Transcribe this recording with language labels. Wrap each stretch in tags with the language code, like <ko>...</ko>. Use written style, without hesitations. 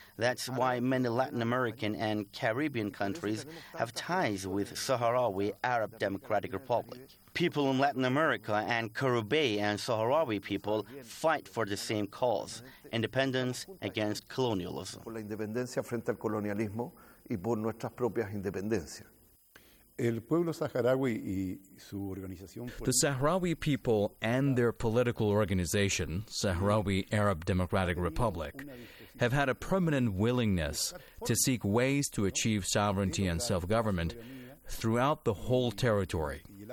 <en>That's why many Latin American and Caribbean countries have ties with Sahrawi Arab Democratic Republic. People in Latin America and Caribbean and Sahrawi people fight for the same cause, independence against colonialism.</en> <es>Por la independencia frente al colonialismo y por nuestras propias independencias.</es> <en>The Sahrawi people and their political organization, Sahrawi Arab Democratic Republic, have had a permanent willingness to seek ways to achieve sovereignty and self-government throughout the whole territory.</en>